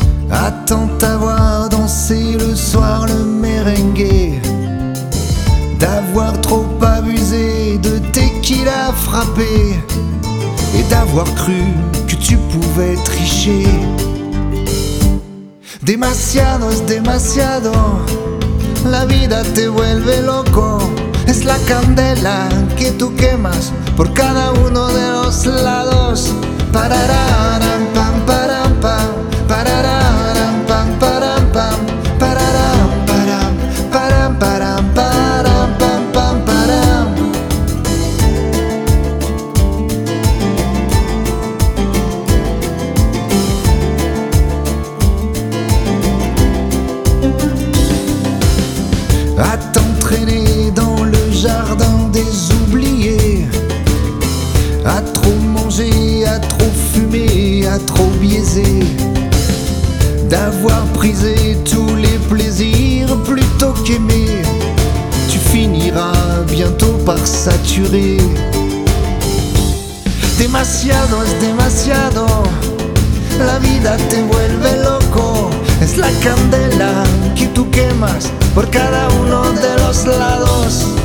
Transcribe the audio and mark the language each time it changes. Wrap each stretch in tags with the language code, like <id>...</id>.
<fr>Attends t'avoir dansé le soir le merengue. D'avoir trop abusé de tequila frappé. Et d'avoir cru que tu pouvais tricher.</fr> <es>Demasiado es demasiado. La vida te vuelve loco. Es la candela que tú quemas por cada uno de los lados. Pararán, pam, pararán, pam, pararán, pam, pararán, pam, pararán, pam, pararán, pam, pararán, pam, pam, pararán.</es> <fr>À t'entraîner dans le jardin des oubliés. À trop manger. À trop fumer, à trop biaiser. D'avoir prisé tous les plaisirs plutôt qu'aimer. Tu finiras bientôt par saturer.</fr> <es>Demasiado es demasiado. La vida te vuelve loco. Es la candela que tú quemas por cada uno de los lados.</es>